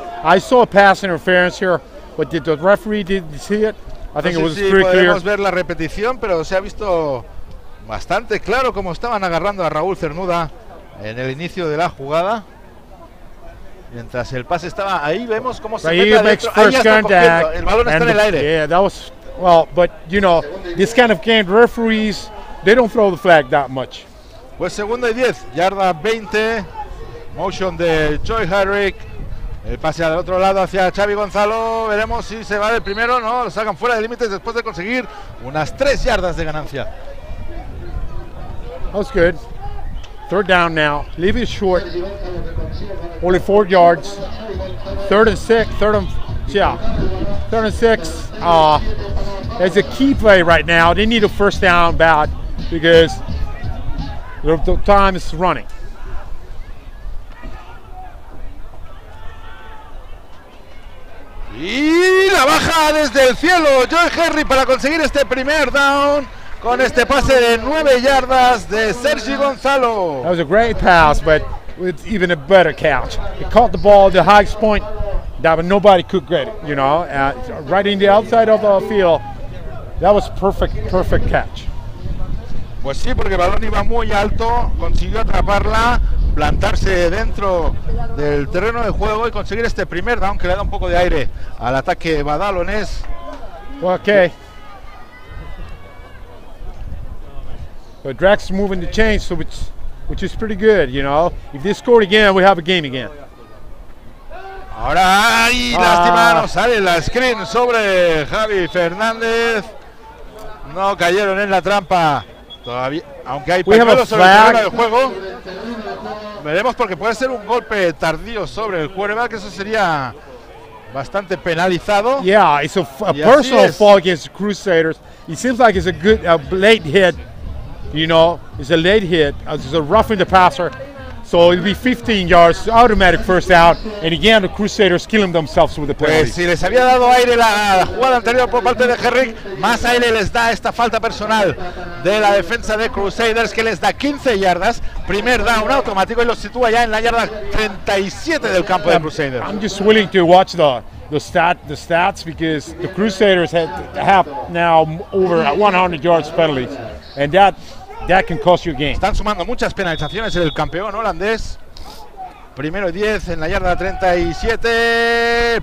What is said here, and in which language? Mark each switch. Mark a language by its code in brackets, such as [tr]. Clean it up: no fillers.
[en] I saw a pass interference here But did the referee did see it? I think it was pretty clear. [es] Podemos ver la repetición, pero se ha visto bastante claro cómo estaban agarrando a Raúl Cernuda en el inicio de la jugada. Mientras el pase estaba ahí, vemos cómo se mete el balón está en el aire. [en] Yeah, that was well, but you know, this kind of game referees they don't throw the flag that much. [es] Pues segundo y 10, yarda 20. Motion de Joy Hedrick. El pase al otro lado hacia Xavi Gonzalo. Veremos si se va del primero, ¿no? Lo sacan fuera de límites después de conseguir unas 3 yardas de ganancia. [en] That was good. Third down now. Leave it short. Only 4 yards. Third and six. It's a key play right now. They need a first down bad because the time is running. [es] Y la baja desde el cielo, Joy Henry, para conseguir este primer down con este pase de 9 yardas de Sergi Gonzalo. [en] That was a great pass, but it's even a better catch. He caught the ball at the highest point that nobody could get it, you know, right in the outside of the field. That was perfect catch. [es] Pues sí, porque el balón iba muy alto, consiguió atraparla, plantarse dentro del terreno de juego y conseguir este primer down que le da un poco de aire al ataque badalonés. [en] Ok. But Drax moving the chains, so which is pretty good, you know. If they score again, we have a game again. [es] Ahora, ay, lástima, no sale la screen sobre Javi Fernández. No cayeron en la trampa. Todavía, aunque hay pañuelos sobre el terreno del juego, veremos porque puede ser un golpe tardío sobre el quarterback, eso sería bastante penalizado. [en] Yeah, it's a personal fall against Crusaders. It seems like it's a good late hit, you know, it's a late hit, it's a roughing the passer. So it'll be 15 yards, automatic first out, and again the Crusaders killing themselves with the play. [es] Pues si les había dado aire la jugada anterior por parte de Herrick, más aire les da esta falta personal de la defensa de Crusaders, que les da 15 yardas, primer down automático y los sitúa ya en la yarda 37 del campo de Crusaders. [en] I'm just willing to watch the stats because the Crusaders have now over 100 yards penalties, and that can cost you a game. [es] Están sumando muchas penalizaciones el campeón holandés. Primero 10 en la yarda 37.